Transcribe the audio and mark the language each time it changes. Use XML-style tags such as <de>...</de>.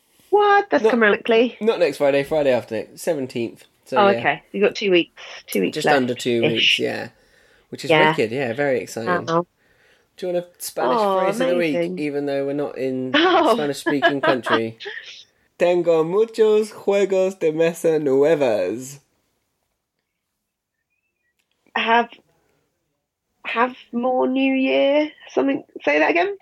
<en>What? That's coming quickly. Not next Friday, Friday after next, 17th. So, okay. You've got 2 weeks. 2 weeks just left. Just under 2 weeks, yeah. Which is wicked, yeah, very exciting. Uh-oh. Do you want a Spanish phrase of the week, even though we're not in a Spanish-speaking country?</en> <es>Tengo muchos juegos de mesa nuevas.</es> <en>Have more New Year, something, say that again.</en>